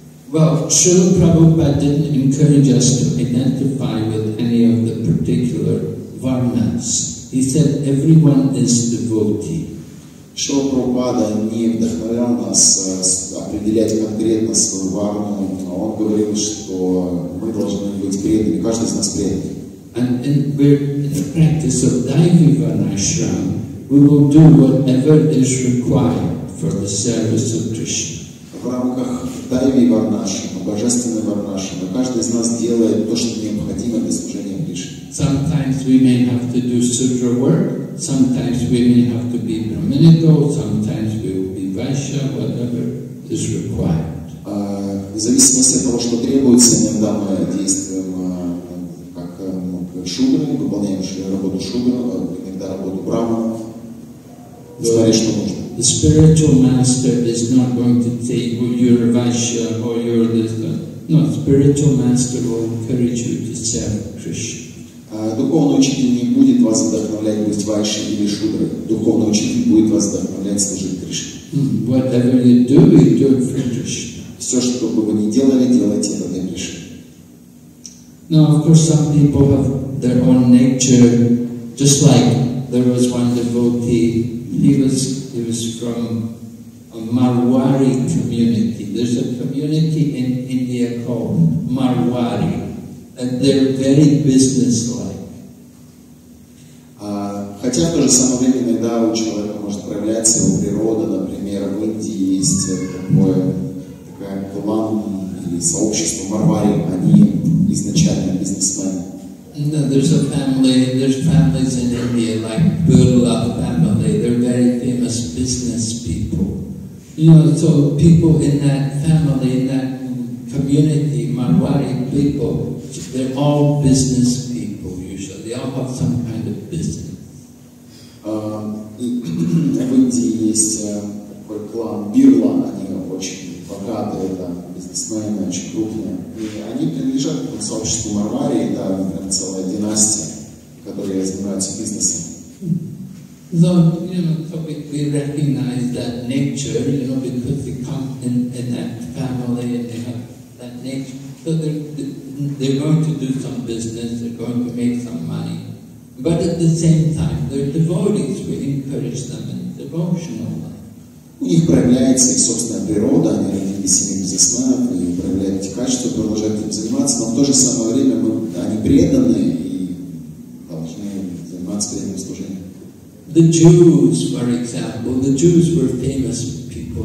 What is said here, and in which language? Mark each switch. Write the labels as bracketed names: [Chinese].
[English] Well, Srila Prabhupada didn't encourage us to identify with any of the particular varnas. He said everyone is devotee. [Russian] Srila Prabhupada не вдохновлял нас определять конкретно свою варну, но он говорил, что мы должны быть преданы, каждый из нас предан. [English] And we're in the practice of Daivi Varnashram, we will do whatever is required for the service of Krishna. [Russian] В рамках Дайви Варнашрама, Божественной Варнашрама, каждый из нас делает то, что необходимо для служения Кришне. [English] Sometimes we may have to do sutra work, sometimes we may have to be brahminical, sometimes we will be vaishya, whatever is required. [Russian] В зависимости от того, что требуется, иногда мы действуем как шудры, выполняем работу шудры, иногда работу брахмана, смотря что нужно. [English] The spiritual master is not going to say, well, you're Vaishya or you're this. No, the spiritual master will encourage you to serve Krishna. [Russian] Духовный учитель не будет вас вдохновлять быть Вайшей или Шудрой. Духовный учитель будет вас вдохновлять служить Кришне. [English] Whatever you do, you do it for Krishna. [Russian] Все, что бы вы ни делали, делайте это для Кришны. [English] Now, of course, some people have their own nature. Just like there was one devotee, he was from a Marwari community. There's a community in India called Marwari, and they're very businesslike. [Russian] Хотя в то же самое время иногда у человека может проявляться его природа, например, в Индии есть такая клан или сообщество Марвари, они изначально бизнесмены. [English] No, there's families in India like Birla family. They're very famous business people. You know, so people in that family, in that community, Marwari people, they're all business people usually. They all have some kind of business. [Russian] В Индии есть такой клан Бирла, они очень богатые там. Бизнесмены очень крупные. И они принадлежат к сообществу Марвари, да, например, целая династия, которая занимаются бизнесом. [English] So, you know, so we recognize that nature, you know, because they come in that family and they have that nature. So they're going to do some business, they're going to make some money. But at the same time, their devotees, we encourage them in devotional life. [Russian] У них проявляется их собственная природа, они родили семьи бизнесменов, и проявляют эти качества, продолжают этим заниматься, но в то же самое время они преданы и должны заниматься преданным служением. [English] The Jews, for example, the Jews were famous people.